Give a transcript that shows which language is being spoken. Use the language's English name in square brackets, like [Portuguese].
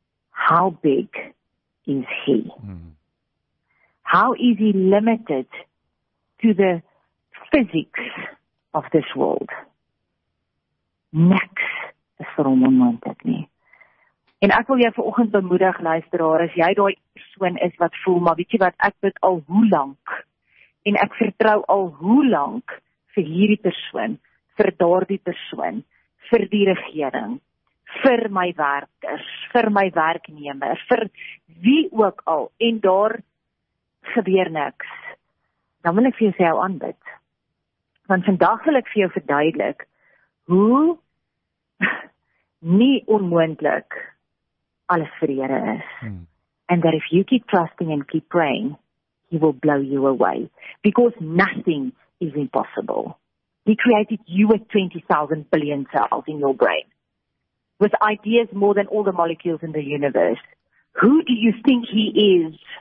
[English] How big is He? Mm-hmm. How is he limited to the physics of this world? [Afrikaans] Niks is vir hom onmoontlik nie. En ek wil jou vanoggend bemoedig, luisteraar, as jy daai persoon is wat voel, maar weet jy wat, ek weet al hoe lank, en ek vertrou al hoe lank vir hierdie persoon, vir daardie persoon, vir die regering, vir my werkers, vir my werknemer, vir wie ook al, en daar gebeur niks, dan wil ek vir jou sê jou aanbid. Want vandag wil ek vir jou verduidelik hoe nie onmoontlik alles vir die Here is. [English] And that if you keep trusting and keep praying, He will blow you away. Because nothing is impossible. He created you with 20,000 billion cells in your brain. With ideas more than all the molecules in the universe. Who do you think He is?